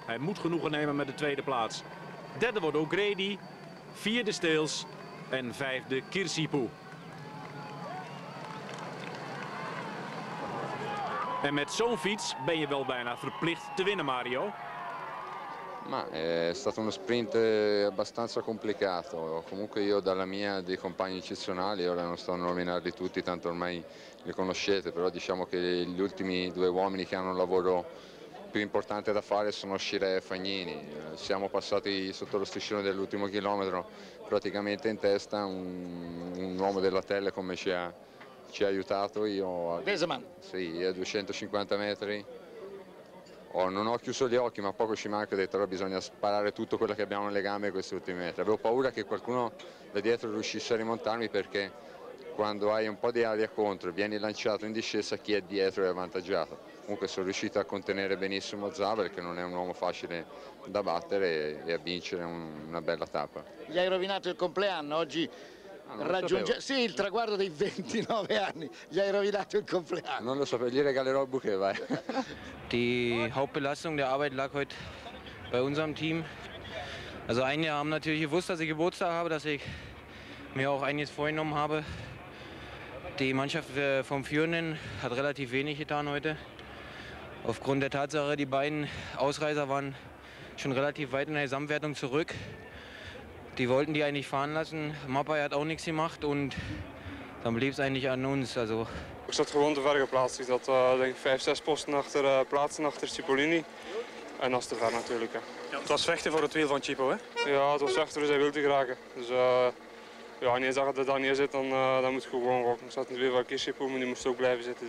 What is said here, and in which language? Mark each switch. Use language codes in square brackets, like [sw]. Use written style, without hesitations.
[nl] Hij moet genoegen nemen met de tweede plaats. Derde wordt O'Grady, vierde Steels en vijfde Kirsipu. En met zo'n fiets ben je wel bijna verplicht te winnen, Mario. [it] Maar è stato uno sprint abbastanza complicato. Comunque io dalla mia dei compagni eccezionali, ora non sto a nominarli tutti, tanto ormai li conoscete, però diciamo che gli ultimi due uomini che hanno un lavoro più importante da fare sono Scirè e Fagnini. Siamo passati sotto lo striscione dell'ultimo chilometro, praticamente in testa un uomo della tele come ci ha aiutato. Io a, Wezeman. Sì, a 250 metri. Non ho chiuso gli occhi, ma poco ci manca, ho detto che bisogna sparare tutto quello che abbiamo nelle gambe in questi ultimi metri. Avevo paura che qualcuno da dietro riuscisse a rimontarmi, perché quando hai un po' di aria contro e vieni lanciato in discesa, chi è dietro è avvantaggiato. Comunque sono riuscito a contenere benissimo Zabel, che non è un uomo facile da battere, e a vincere una bella tappa. Gli hai rovinato il compleanno oggi. Sì, il traguardo dei 29 anni, gli hai rovinato il compleanno. Non lo so, gli regalerò il bouquet, vai. [de] Die Hauptbelastung der Arbeit lag heute bei unserem Team. Also einige haben natürlich gewusst, dass ich Geburtstag habe, dass ich mir auch einiges vorgenommen habe. Die Mannschaft vom Führenden hat relativ wenig getan heute. Aufgrund der Tatsache, die beiden Ausreißer waren schon relativ weit in der Gesamtwertung zurück. Die wollten die eigentlich fahren lassen. Mapai hat auch nichts gemacht und dann blieb es eigentlich an uns. Also [nl] ik zat gewoon te ver geplaatst. Ik zat denk ik 5-6 posten achter plaatsen achter Cipollini. En dat is te ver natuurlijk. Hè. Ja, het was vechten voor het wiel van Cipo, hè? Ja, het was vechten voor zijn wiel te geraken. Dus ja, en eens dat hij daar neerzit, dan moet je gewoon gokken. Ik zat in het wiel van Cipo, maar die moest ook blijven zitten.